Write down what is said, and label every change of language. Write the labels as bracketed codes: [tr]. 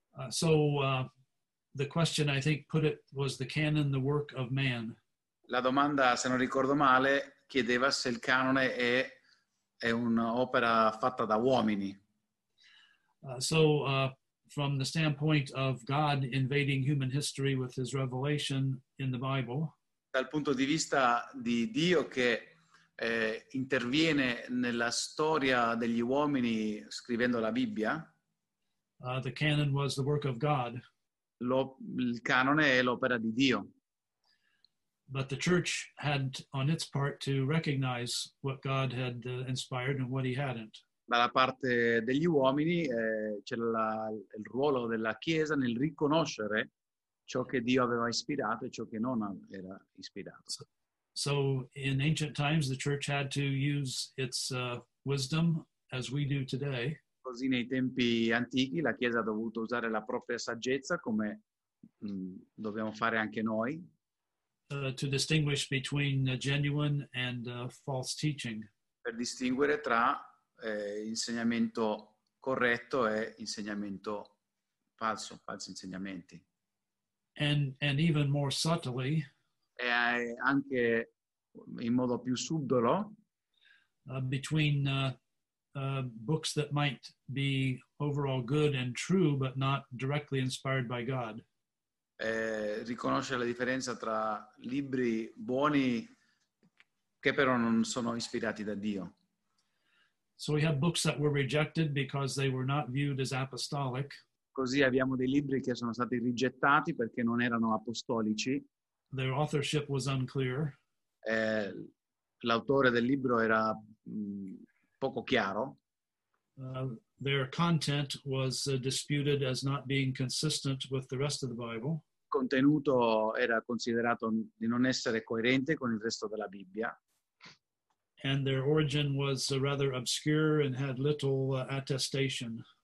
[en] So the question I think put it was the canon the work of man. [it] La domanda, se non ricordo male, chiedeva se il canone è un'opera fatta da uomini. [en] So from the standpoint of God invading human history with his revelation in the Bible. [it] Dal punto di vista di Dio che interviene nella storia degli uomini scrivendo la Bibbia. [en] The canon was the work of God. [it] Il canone è l'opera di Dio. [en] But the church had on its part to recognize what God had inspired and what he hadn't. [it] Dalla parte degli uomini c'è il ruolo della Chiesa nel riconoscere ciò che Dio aveva ispirato e ciò che non era ispirato. [en] So in ancient times the church had to use its wisdom as we do today. [it] Così nei tempi antichi la Chiesa ha dovuto usare la propria saggezza come dobbiamo fare anche noi. [en] To distinguish between genuine and false teaching. [it] Per distinguere tra insegnamento corretto è insegnamento falso, falsi insegnamenti. [en] And even more subtly, [it] e anche in modo più subdolo, [en] between books that might be overall good and true, but not directly inspired by God. [it] Riconosce la differenza tra libri buoni che però non sono ispirati da Dio. [en] So we have books that were rejected because they were not viewed as apostolic. [it] Così abbiamo dei libri che sono stati rigettati perché non erano apostolici. [en] Their authorship was unclear. [it] L'autore del libro era poco chiaro. [en] Their content was disputed as not being consistent with the rest of the Bible. [it] Il contenuto era considerato di non essere coerente con il resto della Bibbia. [en] And their origin was rather obscure and had little attestation.